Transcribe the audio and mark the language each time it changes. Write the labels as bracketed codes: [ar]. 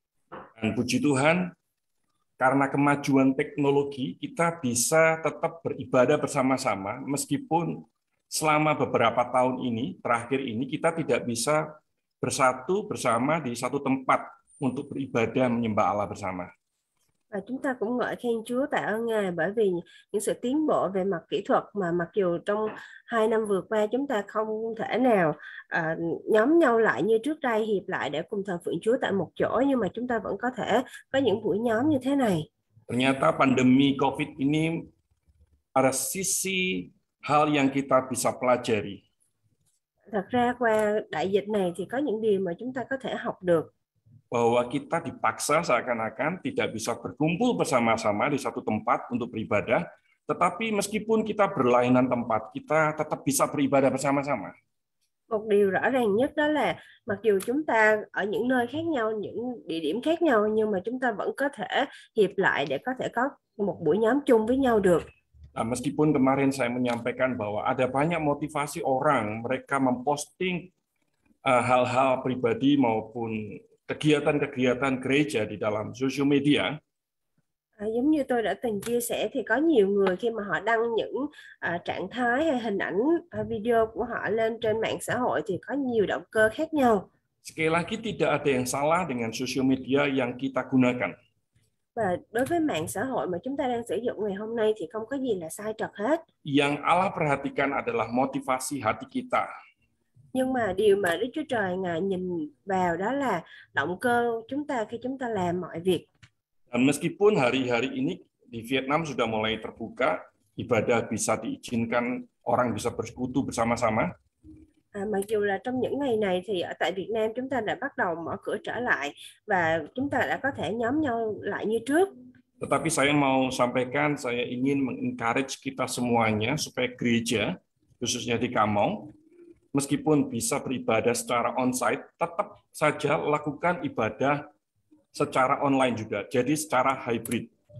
[id] Dan puji Tuhan, karena kemajuan teknologi kita bisa tetap beribadah bersama-sama meskipun selama beberapa tahun ini, terakhir ini, kita tidak bisa bersatu bersama di satu tempat untuk beribadah menyembah Allah bersama. [vi] Và chúng ta cũng ngợi khen Chúa, tạ ơn Ngài bởi vì những sự tiến bộ về mặt kỹ thuật, mà mặc dù trong 2 năm vừa qua chúng ta không thể nào nhóm nhau lại như trước đây, hiệp lại để cùng thờ phượng Chúa tại một chỗ, nhưng mà chúng ta vẫn có thể có những buổi nhóm như thế này. [id] Ternyata pandemi COVID ini ada sisi hal yang kita bisa pelajari. [vi] Thật ra qua đại dịch này thì có những điều mà chúng ta có thể học được. [id] Bahwa kita dipaksa seakan-akan tidak bisa berkumpul bersama-sama di satu tempat untuk beribadah, tetapi meskipun kita berlainan tempat, kita tetap bisa beribadah bersama-sama. [vi] Một điều rõ ràng nhất đó là mặc dù chúng ta ở những nơi khác nhau, những địa điểm khác nhau, nhưng mà chúng ta vẫn có thể hiệp lại để có thể có một buổi nhóm chung với nhau được. [id] Nah, meskipun kemarin saya menyampaikan bahwa ada banyak motivasi orang, mereka memposting hal-hal pribadi maupun kegiatan-kegiatan gereja di dalam social media. [vi] Giống như tôi đã từng chia sẻ thì có nhiều người khi mà họ đăng những trạng thái hay hình ảnh video của họ lên trên mạng xã hội thì có nhiều động cơ khác nhau. [id] Sekali lagi tidak ada yang salah dengan social media yang kita gunakan. [vi] Và đối với mạng xã hội mà chúng ta đang sử dụng ngày hôm nay thì không có gì là sai trật hết. [id] Yang Allah perhatikan adalah motivasi hati kita. [vi] Nhưng mà điều mà Đức Chúa Trời Ngài nhìn vào đó là động cơ chúng ta khi chúng ta làm mọi việc. [id] Dan meskipun hari-hari ini di Vietnam sudah mulai terbuka, ibadah bisa diizinkan, orang bisa bersekutu bersama-sama. [vi] Mặc dù là trong những ngày này thì ở tại Việt Nam chúng ta đã bắt đầu mở cửa trở lại và chúng ta đã có thể nhóm nhau lại như trước. [id] Tetapi saya mau sampaikan, saya ingin meng-encourage kita semuanya supaya gereja, khususnya di Kamong, meskipun bisa beribadah secara onsite, tetap saja lakukan ibadah secara online juga. Jadi secara hybrid.